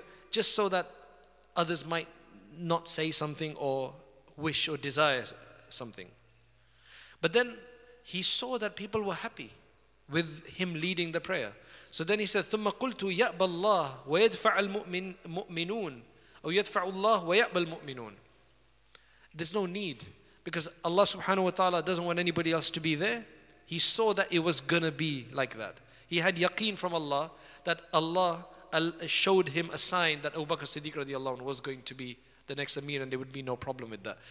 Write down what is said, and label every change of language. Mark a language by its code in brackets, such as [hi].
[en] Just so that others might not say something or wish or desire something. But then he saw that people were happy with him leading the prayer. So then he said, [ar] ثُمَّ قُلْتُ يَأْبَ اللَّهُ وَيَدْفَعَ الْمُؤْمِنُونَ أو يَدْفَعُ اللَّهُ وَيَأْبَ الْمُؤْمِنُونَ. [en] There's no need, because Allah subhanahu wa ta'ala doesn't want anybody else to be there. He saw that it was going to be like that. He had yaqeen from Allah that Allah showed him a sign that Abu Bakr Siddiq radiallahu anhu was going to be the next Amir, and there would be no problem with that.